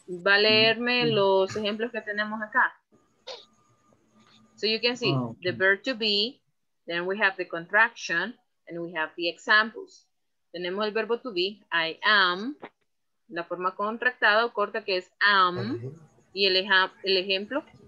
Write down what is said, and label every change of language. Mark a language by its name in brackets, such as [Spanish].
[Spanish] Va a leerme los ejemplos que tenemos acá. [English] So you can see the verb to be, then we have the contraction, and we have the examples. [Spanish] Tenemos el verbo to be, I am, la forma contractada o corta que es am, y el ejemplo.